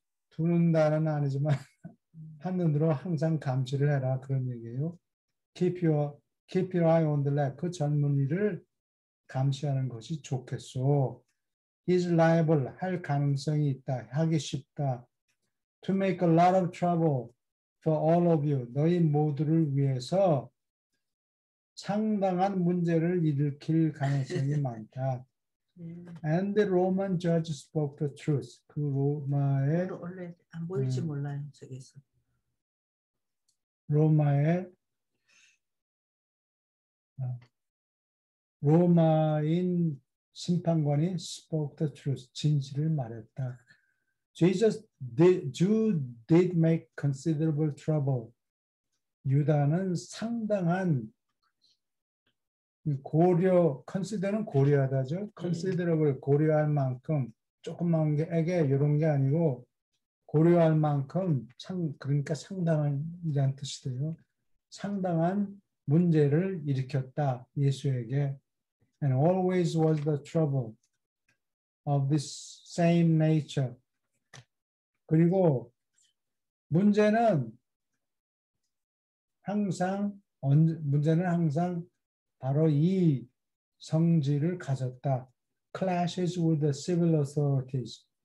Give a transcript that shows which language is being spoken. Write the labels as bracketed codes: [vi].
[ko] 두는다는 아니지만 한눈으로 항상 감시를 해라. 그런 얘기예요. [en] Keep your eye on the lad. [ko] 그 젊은이를 감시하는 것이 좋겠소. [en] He's liable. [ko] 할 가능성이 있다. 하기 쉽다. [en] To make a lot of trouble for all of you. [ko] 너희 모두를 위해서 상당한 문제를 일으킬 가능성이 많다. [en] And the Roman judge spoke the truth. [ko] 그 로마의 원래 안 보일지 몰라요. 저기서. 로마인 심판관이 [en] spoke the truth, [ko] 진실을 말했다. [en] Jude did make considerable trouble. [ko] 유다는 상당한 고려, consider는 고려하다죠. Considerable, 고려할 만큼, 조그만 게 이런 게 아니고 고려할 만큼, 그러니까 상당한이라는 뜻이 돼요. 상당한 문제를 일으켰다, 예수에게. [en] And always was the trouble of this same nature. [ko] 그리고 문제는 항상, 문제는 항상 바로 이 성질을 가졌다. [en] Clashes with the civil authorities.